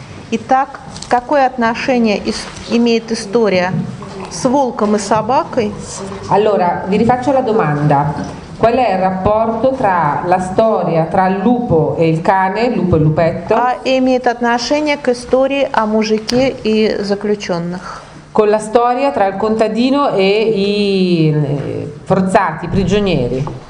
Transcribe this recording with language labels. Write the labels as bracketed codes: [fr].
[ru] Итак, какое отношение имеет история с волком и собакой? [it] Allora, vi rifaccio la domanda. Qual è il rapporto tra la storia tra il lupo e il cane, lupo e lupetto? [ru] А имеет отношение к истории о мужике и заключенных? [it] Con la storia tra il contadino e i forzati, i prigionieri.